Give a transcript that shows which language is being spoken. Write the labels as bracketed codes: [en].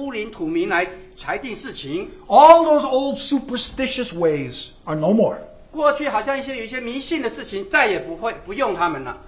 [zh] 所以就在这个五旬节之后，门徒们再也不会去再问祭司借着乌灵土明来裁定事情。 [en] All those old superstitious ways are no more. [zh] 过去好像一些有一些迷信的事情再也不用他们了。